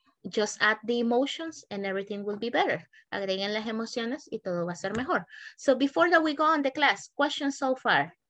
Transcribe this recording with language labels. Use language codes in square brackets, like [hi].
[en] Just add the emotions and everything will be better. [es] Agreguen las emociones y todo va a ser mejor. [en] So before that we go on the class, questions so far.